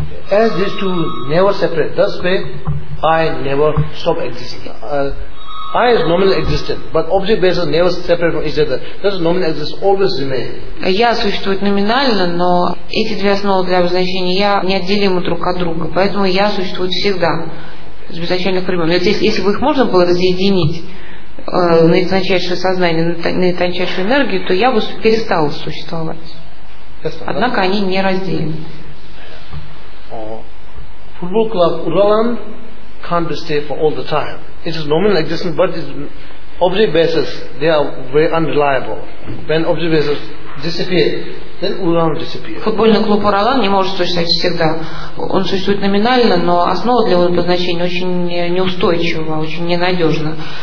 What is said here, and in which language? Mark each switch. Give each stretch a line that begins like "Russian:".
English: As these two never separate, thus way I never stop existing. I is nominal existent, but object basis never separate from each other. Thus nominal exists always remain.
Russian: Я существует номинально, но эти две основы для обозначения я неотделимы друг от друга, поэтому я существует всегда с изначальных времен. Если бы их можно было разъединить на тончайшее сознание, на тончайшую энергию, то я бы перестал существовать. Однако они не разделены.
English: Football club Uraland can't be stay for all the time. It is nominal existence, but it's object basis. They are very unreliable. When object basis disappear, then Uraland disappears.
Russian: Футбольный клуб Уралан не может существовать всегда. Он существует номинально, но основа для его обозначения очень неустойчива, очень ненадежна.